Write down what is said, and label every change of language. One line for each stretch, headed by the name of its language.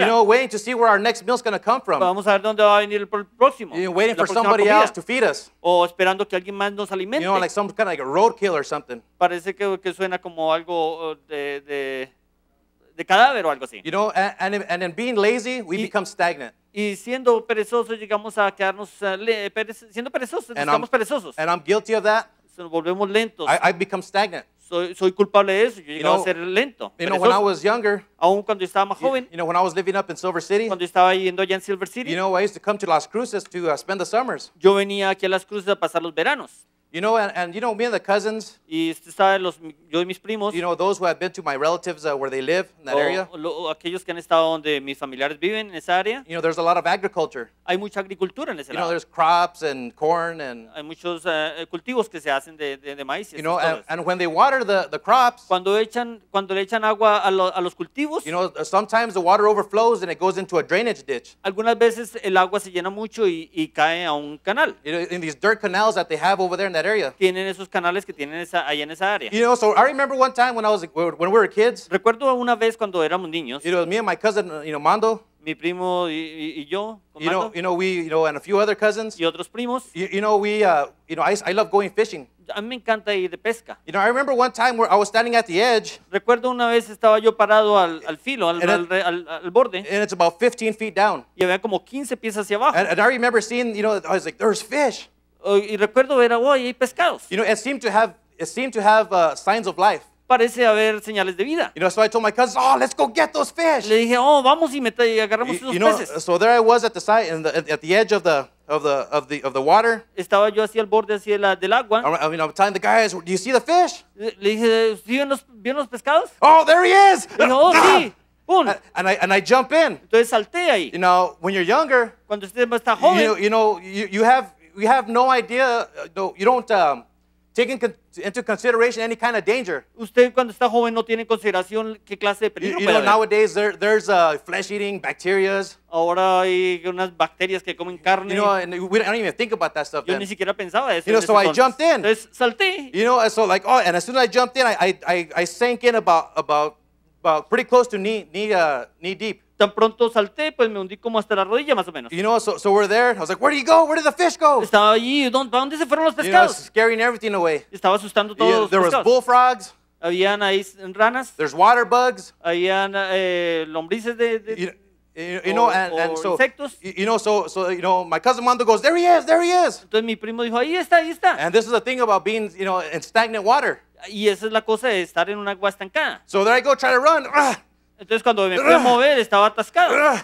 English: You know, waiting to see where our next meal is going to come from.
Spanish: Vamos a ver dónde va a venir el próximo.
English: You know, waiting for somebody
Spanish: comida.
English: Else to feed us.
Spanish: O esperando que alguien más nos alimente.
English: You know, like some kind of like a roadkill or something.
Spanish: Parece que suena como algo de cadáver o algo así.
English: You know, and in being lazy, we become stagnant.
Spanish: Y siendo perezosos llegamos a quedarnos siendo perezosos, estamos perezosos.
English: And I'm guilty of that.
Spanish: Nos volvemos lentos.
English: I become stagnant.
Spanish: Soy culpable de eso. Yo llegaba a ser lento.
English: You know, when I was younger,
Spanish: aún cuando estaba más joven,
English: you know, when I was living up in Silver City,
Spanish: cuando estaba yendo allá en Silver City,
English: you know, I used to come to Las Cruces to spend the summers.
Spanish: Yo venía aquí a Las Cruces a pasar los veranos.
English: You know, and you know, me and the cousins.
Spanish: Y usted sabe, los, yo y mis primos.
English: You know, those who have been to my relatives where they live in that area.
Spanish: Aquellos que han estado donde mis familiares viven en esa área.
English: You know, there's a lot of agriculture.
Spanish: Hay mucha agricultura en ese
English: you
Spanish: lado.
English: You know, there's crops and corn and.
Spanish: Hay muchos cultivos que se hacen de maíz.
English: You know, and when they water the crops.
Spanish: Cuando le echan agua a los cultivos.
English: You know, sometimes the water overflows and it goes into a drainage ditch.
Spanish: Algunas veces el agua se llena mucho y cae a un canal.
English: You know, in these dirt canals that they have over there.
Spanish: Tienen esos canales que tienen ahí en esa área.
English: You know, so I remember one time when we were kids.
Spanish: Recuerdo una vez cuando éramos niños.
English: You know, me and my cousin, you know, Mando.
Spanish: Mi primo y yo.
English: You know, and a few other cousins.
Spanish: Y otros primos.
English: I love going fishing.
Spanish: A mí me encanta ir de pesca.
English: You know, I remember one time where I was standing at the edge.
Spanish: Recuerdo una vez estaba yo parado al filo, al borde.
English: And it's about 15 feet down.
Spanish: Y había como 15 pies hacia abajo.
English: And I remember seeing, you know, I was like, there's fish.
Spanish: Y recuerdo ver agua y hay pescados.
English: You know, it seemed to have signs of life.
Spanish: Parece haber señales de vida.
English: You know, so I told my cousins, oh, let's go get those fish.
Spanish: Le dije, oh, vamos y agarramos esos
English: you know,
Spanish: peces.
English: So there I was at the side, at the edge of the water.
Spanish: Estaba yo así al borde, así del agua.
English: I'm telling the guys, do you see the fish?
Spanish: Le dije, ¿vieron los pescados?
English: Oh, there he is!
Spanish: Dije, oh, sí.
English: And I jump in.
Spanish: Entonces salté ahí.
English: You know, when you're younger,
Spanish: cuando usted está joven,
English: you have no idea. No, you don't take into consideration any kind of danger.
Spanish: Usted cuando está joven no tiene consideración qué clase de peligro puede haber.
English: You know, nowadays there's flesh-eating bacterias.
Spanish: Ahora hay unas bacterias que comen carne.
English: You know, and we don't even think about that stuff.
Spanish: Yo ni siquiera pensaba eso.
English: You know, so I jumped in.
Spanish: Entonces salté.
English: You know, so like oh, and as soon as I jumped in, I sank in about pretty close to knee deep.
Spanish: Tan pronto salté, pues me hundí como hasta la rodilla, más o menos.
English: You know, so we're there. I was like, where do you go? Where did the fish go?
Spanish: Estaba allí. ¿Dónde se fueron los pescados?
English: You know, scaring everything away.
Spanish: Estaba asustando todos los
English: pescados. There was bullfrogs.
Spanish: Habían ahí ranas.
English: There's water bugs.
Spanish: Habían lombrices de insectos.
English: So my cousin Mando goes, there he is, there he is.
Spanish: Entonces mi primo dijo, ahí está, ahí está.
English: And this is the thing about being, you know, in stagnant water.
Spanish: Y esa es la cosa de estar en un agua estancada.
English: So there I go, try to run.
Spanish: Entonces cuando me fui a mover estaba atascado.